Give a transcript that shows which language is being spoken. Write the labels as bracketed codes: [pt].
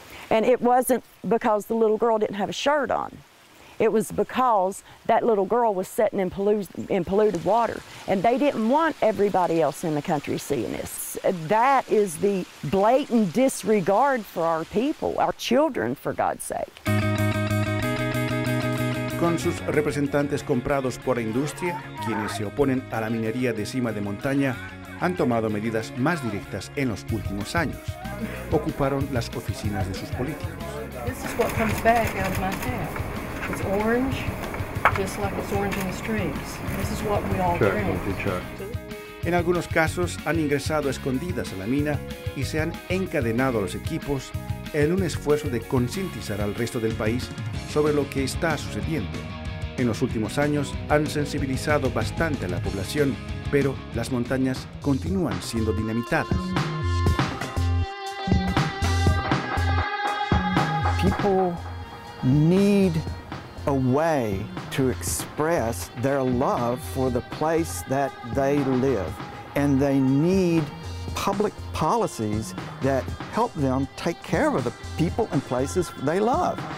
[en] And it wasn't because the little girl didn't have a shirt on. It was because that little girl was sitting in polluted water, and they didn't want everybody else in the country seeing this. That is the blatant disregard for our people, our children, for God's sake. [es] Con sus representantes comprados por la industria, quienes se oponen a la minería de cima de montaña, han tomado medidas más directas en los últimos años. Ocuparon las oficinas de sus políticos. [en] This is what comes back out of my head. It's orange, just like it's orange in the streams. This is what we all drink. [es] En algunos casos han ingresado escondidas a la mina y se han encadenado a los equipos en un esfuerzo de concientizar al resto del país sobre lo que está sucediendo. En los últimos años han sensibilizado bastante a la población, pero las montañas continúan siendo dinamitadas. [en] people need a way to express their love for the place that they live, and they need public policies that help them take care of the people and places they love.